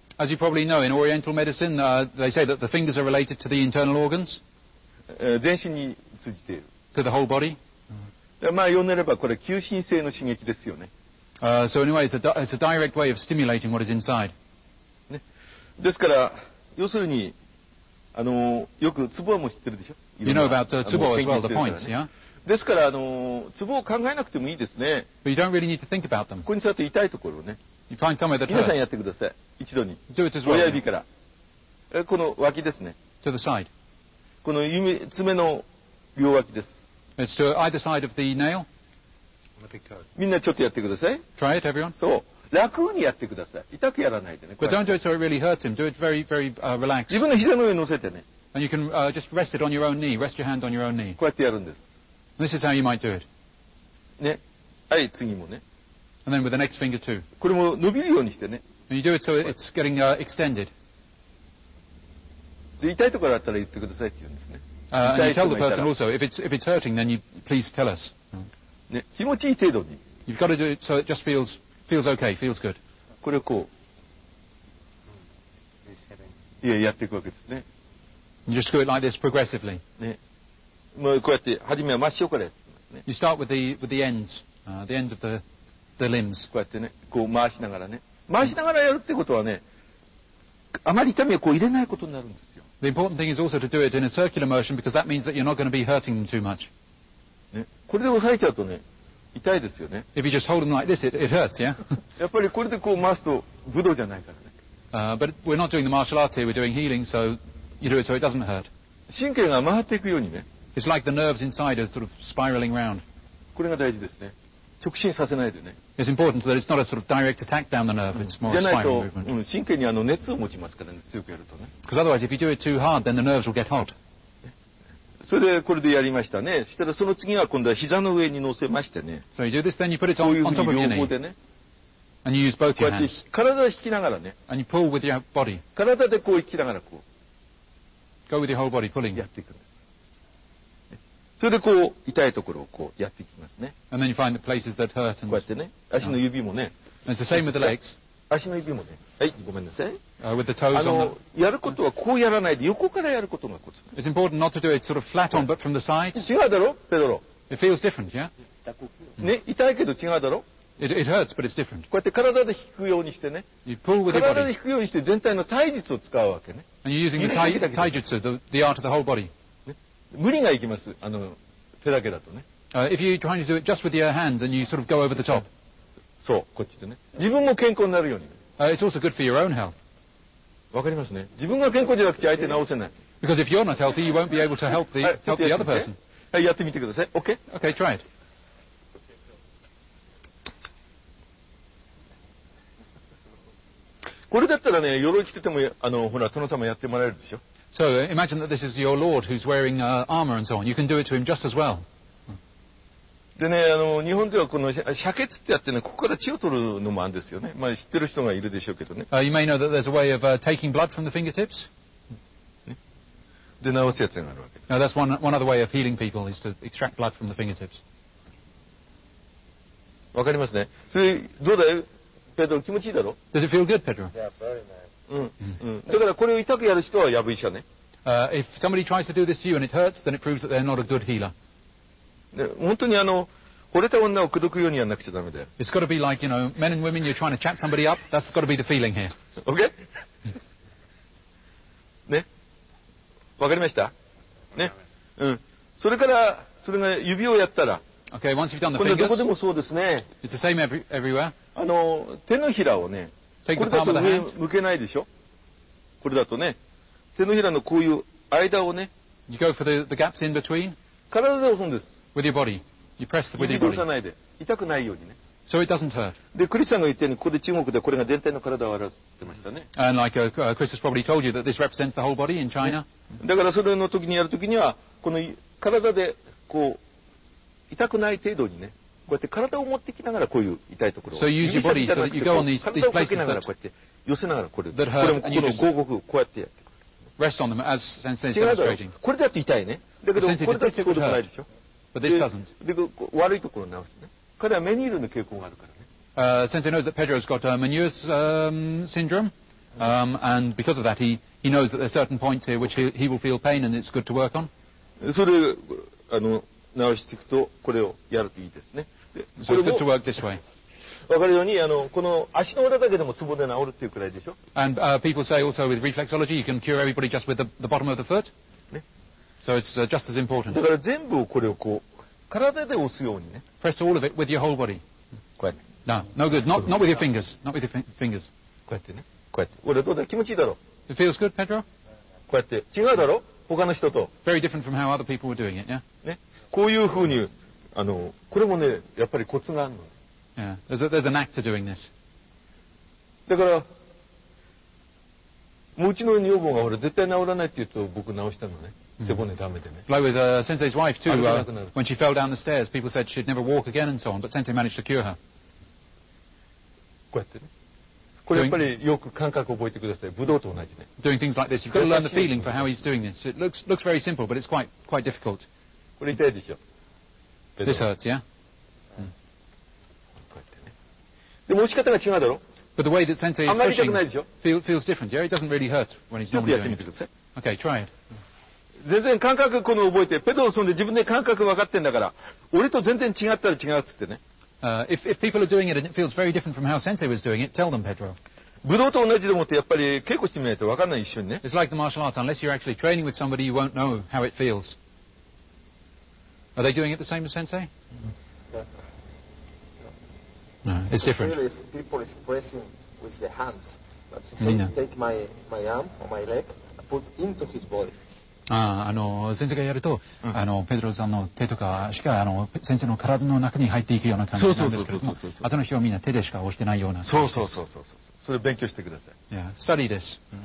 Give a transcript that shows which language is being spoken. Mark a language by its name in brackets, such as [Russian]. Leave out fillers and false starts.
[English] As you probably know, in Oriental medicine, they say that the fingers are related to the internal organs. [Japanese] 全身についている。 [English] To the whole body. [Japanese] まあ読んでればこれ求心性の刺激ですよね。 [English] So anyway, it's a direct way of stimulating what is inside. [Japanese] ですから要するによくツボも知ってるでしょ。 [English] You know about Tsubo as well, the points, yeah? [Japanese] ですから、ツボを考えなくてもいいですね。 [English] But you don't really need to think about them. [Japanese] ここに座って痛いところをね。 [English] You find somewhere that hurts. [Japanese] 皆さんやってください。一度に。 [English] Do it as well. [Japanese] 親指から。この脇ですね。 [English] To the side. [Japanese] この指、爪の両脇です。 [English] It's to either side of the nail. [Japanese] みんなちょっとやってください。 [English] Try it, everyone. [Japanese] そう。楽にやってください。痛くやらないでね。 [English] But don't do it so it really hurts him. Do it very, very, relaxed. [Japanese] 自分の膝の上に乗せてね。 [English] And you can, just rest it on your own knee. Rest your hand on your own knee. [Japanese] こうやってやるんです。 [English] And this is how you might do it. [Japanese] ね。はい、次もね。 [English] And then with the next finger too. [Japanese] これも伸びるようにしてね。 [English] And you do it so it's getting, extended. [Japanese] で、痛いところあったら言ってくださいって言うんですね。 [English] And you tell the person also, if it's hurting, then you please tell us. [Japanese] ね。気持ちいい程度に。 [English] You've got to do it so it just feels... Feels okay, feels good. [Japanese] これこう。いや、やっていくわけですね。 [English] You just go like this progressively. [Japanese] ね。もうこうやって、はじめは真っ白からやってますね。 [English] You start with the ends, the ends of the limbs. [Japanese] こうやってね、こう回しながらね。回しながらやるってことはね、あまり痛みをこう入れないことになるんですよ。 [English] The important thing is also to do it in a circular motion because that means that you're not going to be hurting them too much. [Japanese] ね。これで押さえちゃうとね、痛いですよね。 [English] If you just hold them like this, it hurts, yeah? [Japanese] やっぱりこれでこう回すと武道じゃないからね。 [English] But we're not doing the martial arts here, we're doing healing, so you do it so it doesn't hurt. [Japanese] 神経が回っていくようにね。 [English] It's like the nerves inside are sort of spiraling round. [Japanese] これが大事ですね。直進させないでね。 [English] It's important that it's not a sort of direct attack down the nerve, it's more a spiral movement. [Japanese] じゃないと、神経に熱を持ちますからね、強くやるとね。 [English] Because otherwise, if you do it too hard, then the nerves will get hot. [Japanese] それでこれでやりましたね。したらその次は今度は膝の上に乗せましてね。 [English] So you do this, then you put it on top of your knee. And you use both hands. [Japanese] こうやって体を引きながらね。 [English] And you pull with your body. [Japanese] 体でこう引きながらこう。 [English] Go with your whole body pulling. [Japanese] やっていくんです。それでこう痛いところをこうやっていきますね。 [English] And then you find the places that hurt. [Japanese] こうやってね。足の指もね。 [English] And it's the same with the legs. [Japanese] 足の指もね。はい、ごめんなさい。 [English] With the toes on the... [Japanese] やることはこうやらないで、横からやることがコツ。 [English] It's important not to do it sort of flat on, but from the sides. [Japanese] 違うだろ、ペドロ。 [English] It feels different, yeah? [Japanese] ね、痛いけど違うだろ。 [English] It hurts, but it's different. [Japanese] こうやって体で引くようにしてね。 [English] You pull with your body. [Japanese] 体で引くようにして全体の体術を使うわけね。 [English] And you're using the体術、the art of the whole body.、 [Japanese] ね、無理がいきます、手だけだとね。 [English] If you're trying to do it just with your hand, then you sort of go over the top. [Japanese] そう、こっちでね。自分も健康になるように。 [English] It's also good for your own health. [Japanese] わかりますね。自分が健康じゃなくて相手直せない。 [English] Because if you're not healthy, you won't be able to help the, help the other person. [Japanese] はい、やってみてください。 [English] OK? OK, try it. [Japanese] これだったらね、鎧着てても、ほら、殿様やってもらえるでしょ。 [English] So, imagine that this is your lord who's wearing, armor and so on. You can do it to him just as well. [Japanese] でね、日本ではこの射血ってやってね、ここから血を取るのもあるんですよね。まあ知ってる人がいるでしょうけどね。 [English] You may know that there's a way of, taking blood from the fingertips.、 [Japanese] ね、で、治すやつがあるわけです。 [English] Now that's one other way of healing people is to extract blood from the fingertips. [Japanese] わかりますね。それ、どうだよ、ペドロ、気持ちいいだろ [English] ?Does it feel good, Pedro? Yeah, very nice. [Japanese] だからこれを痛くやる人はやぶ医者ね。 [English] If somebody tries to do this to you and it hurts, then it proves that they're not a good healer. [Japanese] 本当に惚れた女を口説くようにやらなくちゃダメだよ。 [English] It's got to be like, you know, men and women, you're trying to chat somebody up. That's got to be the feeling here. OK? [Japanese] ね。わかりました。ね。うん。それから、それが指をやったら。 [English] OK, once you've done the fingers. [Japanese] これどこでもそうですね。 [English] It's the same everywhere. [Japanese] 手のひらをね。 [English] Take the palm of the hand. [Japanese] これだと向けないでしょ。これだとね。手のひらのこういう間をね。 [English] You go for the gaps in between. [Japanese] 体で押すんです。 [English] With your body. You press with your body. [Japanese] 指を押さないで。痛くないようにね。 [English] So it doesn't hurt. [Japanese] で、クリスさんが言ったように、ここで中国でこれが全体の体を表してましたね。 [English] And like, Chris has probably told you that this represents the whole body in China. [Japanese] だからそれの時にやる時には、この体でこう、痛くない程度にね、こうやって体を持ってきながらこういう痛いところを。 [English] So you use your body so that you go on these places that hurt. [Japanese] こうやって寄せながらこれ。 [English] That hurt. [Japanese] これもここの広告をこうやってやってく [English] る。Rest on them as sensei is demonstrating. [Japanese] これだって痛いね。だけどこれだってそうでもないでしょ。 [English] But this doesn't. [Japanese] で悪いところを直すね。彼はメニールの傾向があるからね。 [English] Sensei knows that Pedro's got Meniere's syndrome. And because of that, he knows that there are certain points here which he will feel pain and it's good to work on. [Japanese] それ直していくと、これをやるといいですね。 [English] So it's good to work this way. [Japanese] 分かるようにこの足の裏だけでもツボで治るっていうくらいでしょ。 [English] And people say also with reflexology you can cure everybody just with the bottom of the foot. ね。So it's just as important. [Japanese] だから全部これをこう体で押すようにね。 [English] Press all of it with your whole body. [Japanese] こうやって。 [English] No, no good. Not with your fingers. Not with your fingers. [Japanese] こうやってね。こうやって。俺どうだ。気持ちいいだろ。 [English] It feels good, Pedro? [Japanese] こうやって。違うだろ。他の人と。 [English] Very different from how other people were doing it, yeah? [Japanese] ね。こういうふうにこれもねやっぱりコツがあるの。 [English] Yeah, there's an act to doing this. [Japanese] だから、もううちの女房が絶対治らないって言うと僕治したのね。背骨ダメでね。 [English] Like with Sensei's wife too, when she fell down the stairs, people said she'd never walk again and so on, but Sensei managed to cure her. [Japanese] こうやってね。これやっぱりよく感覚を覚えてください。武道と同じね。 [English] Doing things like this, you've got to learn the feeling for how he's doing this. It looks very simple, but it's quite difficult. [Japanese] これ痛いでしょ。 [English] This hurts, yeah? [Japanese] でも押し方が違うだろ。 [English] But the way that Sensei is pushing feels different. Yeah, it doesn't really hurt when he's normally doing it. Okay, try it. [Japanese] 全然感覚この覚えて、ペドロソンで自分で感覚分かってんだから、俺と全然違ったら違うっつってね。 [English] If people are doing it and it feels very different from how Sensei was doing it, tell them, Pedro. [Japanese] 武道と同じでもってやっぱり稽古してみないと分かんない一緒にね。 [English] It's like the martial arts. Unless you're actually training with somebody, you won't know how it feels. Are they doing it the same as Sensei? No, it's different. The feel is people is pressing with the hands. But Sensei Mina. Take my arm or my leg, put into his body. [Japanese] Ah, Sensei がやると、Pedro さんの手とかしか先生の体の中に入っていくような感じなんですけれども、あとの人はみんな手でしか押してないような。そうそうそうそうそう。それ勉強してください。 [English] Yeah, study this.